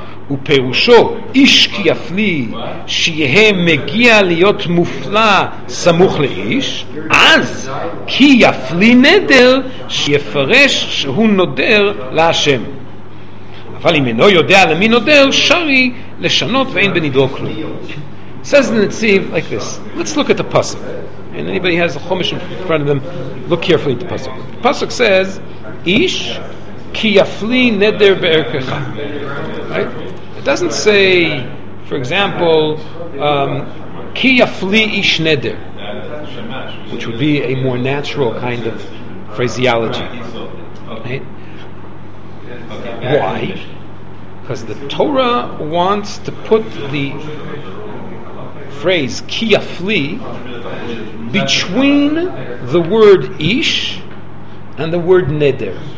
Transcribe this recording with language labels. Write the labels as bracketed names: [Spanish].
[Hebrew] ופירושו איש כי יפלי שיהיה מגיע להיות מופלא סמוך לאיש, אז כי יפלי נדר שיפרש שהוא נודר להשם. אבל אם אינו יודע למי נודר, שרי לשנות ואין בנדרו כלום. [English] Says the Netziv like this. Let's look at the pasuk. And anybody has a chumash in front of them, look carefully at the pasuk. The pasuk says, [Hebrew] איש כי יפלי נדר בערכך. [English] Right? It doesn't say, for example, [Hebrew] ki yafli ish neder, [English] which would be a more natural kind of phraseology. Right? Why? Because the Torah wants to put the phrase ki yafli between the word ish and the word neder.